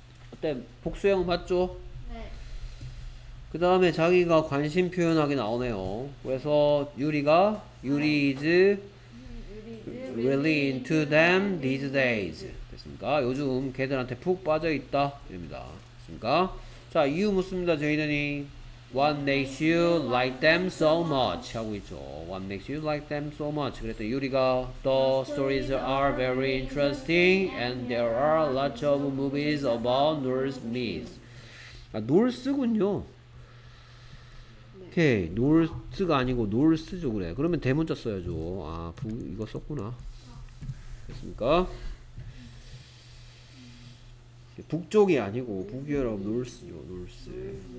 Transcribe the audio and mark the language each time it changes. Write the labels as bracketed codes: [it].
[ko] 그때 복수형 맞죠? 네. 그 다음에 자기가 관심 표현하게 나오네요. 그래서 유리가 유리 is [en] really into them these days. [ko] 됐습니까? 요즘 걔들한테 푹 빠져 있다. 이릅니다. 됐습니까? 자, 이유 묻습니다. 저희는이 [en] What makes you like them so much? [ko] 하고 있죠. [en] What makes you like them so much? [ko] 그랬더니 유리가 [en] The stories are very interesting and there are lots of movies about Norse myths. [ko] 아, 노르스군요. 오케이. 노르스가 아니고 노르스죠. 그래. 그러면 대문자 써야죠. 아, 이거 썼구나. 됐습니까? 북쪽이 아니고 북유럽 노르스죠. 노르스.